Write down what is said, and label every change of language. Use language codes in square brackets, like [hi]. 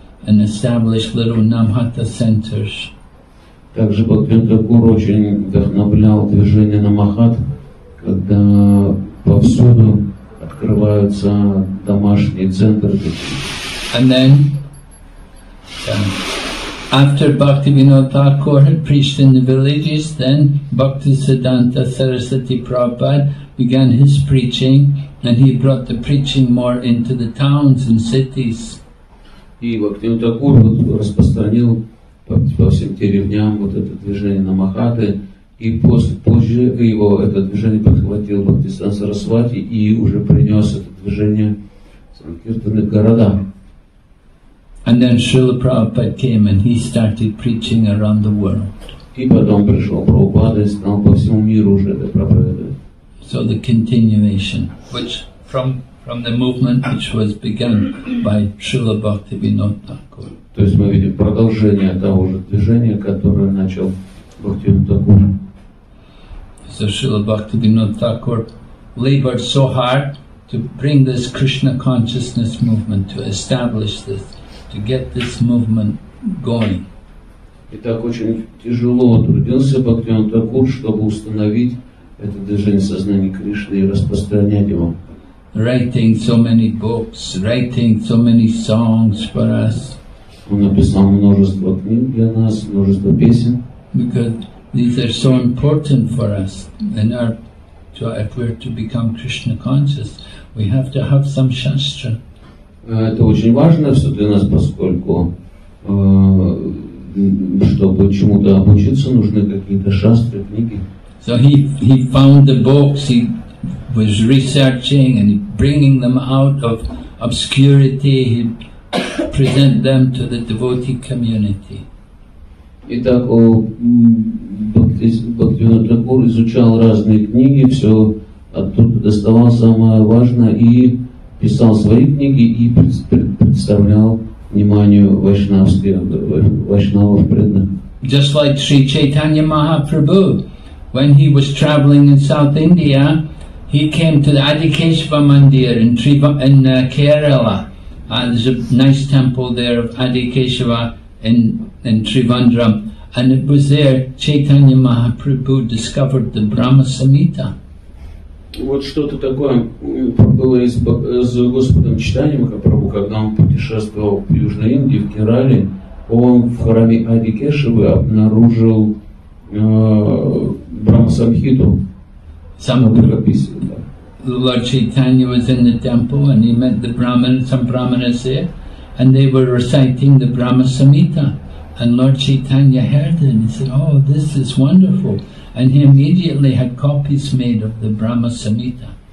[en] and establish little Namhatha centers. [ru] Также Бхактивинод Такур очень вдохновлял движение Намахат, когда повсюду открываются домашние центры. [en] And then, after Bhaktivinod Thakur had preached in the villages, then Bhaktisiddhanta Sarasvati Prabhupada began his preaching, and he brought the preaching more into the towns and cities. [ru] И Бхактивинод Такур распространил по всем деревням вот это движение Намахаты, и позже его это движение подхватил Бхактисиддханта Сарасвати и уже принес это движение в санкиртаны города. [en] And then Srila Prabhupada came and he started preaching around the world. [ru] И потом пришел Прабхупада и стал по всему миру уже это проповедовать. [en] So the continuation, which from the movement which was begun by Srila Bhaktivinoda Thakur. [ru] То есть мы видим продолжение того же движения, которое начал Бхактивинод Такур. [en] So Srila Bhaktivinoda Thakur labored so hard to bring this Krishna consciousness movement, to establish this, to get this movement going. [ru] И так очень тяжело трудился Бхактивинод Такур, чтобы установить это движение сознания Кришны и распространять его. [en] Writing so many books, writing so many songs for us. [ru] Он написал множество книг для нас, множество песен. [en] Because these are so important for us, and if we're to become Krishna conscious, we have to have some shastra. [ru] Это очень важно все для нас, поскольку чтобы чему-то обучиться, нужны какие-то шастры, книги. [en] So he found the books, he was researching and bringing them out of obscurity, he present them to the devotee community. [ru] Итак, Бхактивинод Такур изучал разные книги, все оттуда доставал самое важное и писал свои книги и представлял вниманию вайшнавов преданных. [en] Just like Sri Chaitanya Mahaprabhu, when he was traveling in South India, he came to the Adikeshva Mandir in Kerala. There's a nice temple there of Adikeshva in Trivandrum, and it was there Chaitanya Mahaprabhu discovered the Brahma Samhita. [ru] Вот что-то такое было с Господом Чайтанья Махапрабху, когда он путешествовал в Южной Индии, в Керале, он в храме Адикешевы обнаружил Брахма Самхиту. [en] Lord Chaitanya was in the temple and he met the Brahmin, some Brahmanas there, and they were reciting the Brahma Samhita. And Lord Chaitanya heard it and he said, oh, this is wonderful. And he immediately had copies made of the Brahma Samhita.